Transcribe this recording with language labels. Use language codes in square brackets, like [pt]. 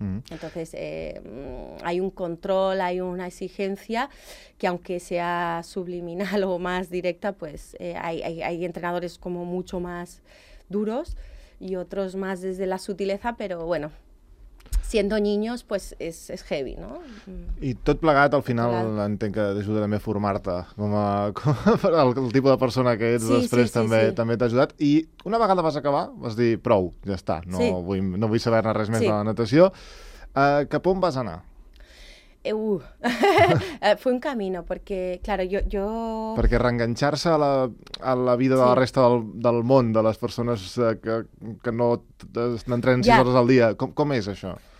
[es] Entonces, hay un control, hay una exigencia que aunque sea subliminal o más directa, pues hay entrenadores como mucho más duros, y otros más desde la sutileza, pero bueno, siendo niños, pues es heavy, ¿no? [ca] I tot plegat, al final, claro. Entenc que t'ajuda també a formar-te, el tipus de persona que ets sí, després sí, també sí, sí. També t'ha ajudat. I una vegada vas acabar, vas dir, prou, ja està, no, sí. no vull saber-ne res més sí. De la natació. Cap on vas anar? [es] Fue un camino, porque claro, yo... [ca] Perquè reenganxar-se a la vida sí. De la resta del món, de les persones que no entrenen 6 hores al dia, com és això?